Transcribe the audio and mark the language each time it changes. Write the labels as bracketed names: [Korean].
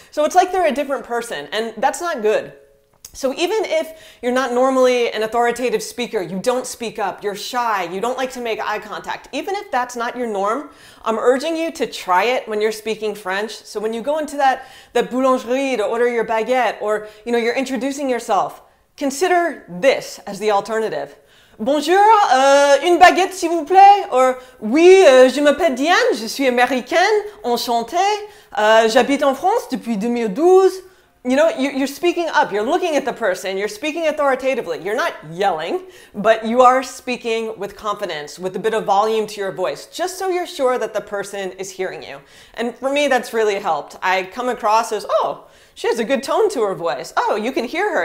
[English] So it's like they're a different person, and that's not good. So even if you're not normally an authoritative speaker, you don't speak up, you're shy, you don't like to make eye contact, even if that's not your norm, I'm urging you to try it when you're speaking French. So when you go into that boulangerie to order your baguette, or you know, you're introducing yourself, consider this as the alternative. [French] Bonjour, une baguette s'il vous plaît. Or oui, je m'appelle Diane, je suis américaine, enchantée. J'habite en France depuis 2012. [English] You know, you're speaking up, you're looking at the person, you're speaking authoritatively. You're not yelling, but you are speaking with confidence, with a bit of volume to your voice, just so you're sure that the person is hearing you. And for me, that's really helped. I come across as, oh, she has a good tone to her voice. Oh, you can hear her.